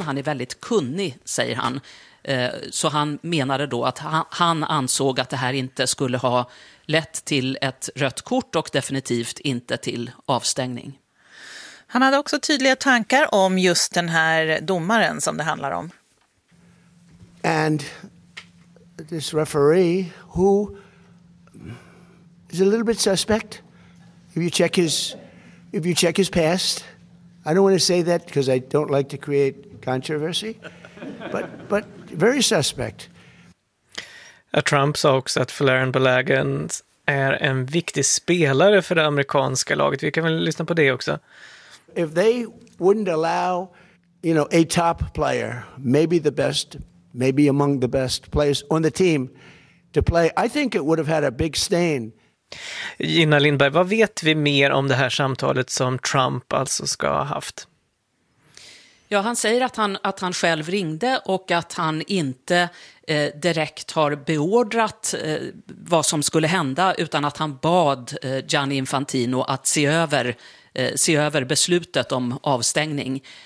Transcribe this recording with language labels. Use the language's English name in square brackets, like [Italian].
[Swedish] Han är väldigt kunnig, säger han. Så han menade då att han ansåg att det här inte skulle ha lett till ett rött kort och definitivt inte till avstängning. Han hade också tydliga tankar om just den här domaren som det handlar om. [English] And this referee who is a little bit suspect. If you check his past, I don't want to say that because I don't like to create controversy, but very suspect. [Swedish] Trump sa också att Laren Belagan är en viktig spelare för det amerikanska laget. Vi kan väl lyssna på det också. [English] If they wouldn't allow, you know, a top player, maybe the best, maybe among the best players on the team to play, I think it would have had a big stain. [Swedish] Gina Lindberg, vad vet vi mer om det här samtalet som Trump alltså ska ha haft? Ja, han säger att han själv ringde och att han inte direkt har beordrat vad som skulle hända, utan att han bad Gianni Infantino att se över beslutet om avstängning.